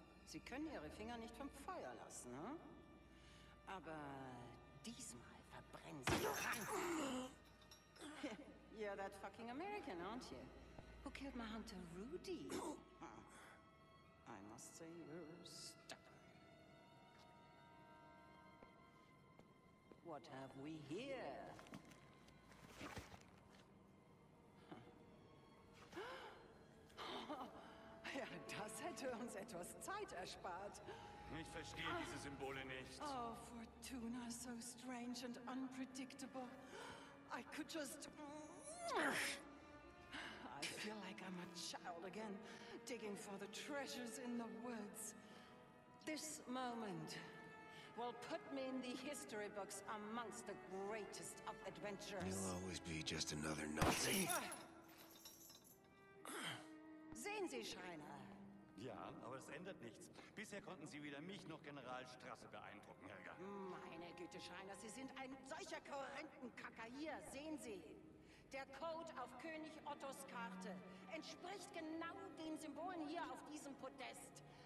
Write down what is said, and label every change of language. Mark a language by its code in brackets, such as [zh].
[de] Sie können Ihre Finger nicht vom Feuer lassen, hm? Aber diesmal verbrennen Sie die Hand. [en] You're that fucking American, aren't you? Who killed my hunter, Rudy? I must say you're stubborn. What have we here? [de] Ja, das hätte uns etwas Zeit erspart. Ich verstehe diese Symbole nicht. [en] Oh, Fortuna, so strange and unpredictable. I could just... I feel like I'm a child again, digging for the treasures in the woods. This moment will put me in the history books amongst the greatest of adventurers. You'll always be just another Nazi. [de] Sehen Sie, Schreiner? Ja, aber es ändert nichts. Bisher konnten Sie weder mich noch General Strasse beeindrucken, Helga. Meine Güte, Schreiner, Sie sind ein solcher Korrentenkacker. Hier, sehen Sie. Der Code auf König Ottos Karte entspricht genau den Symbolen hier auf diesem Podest.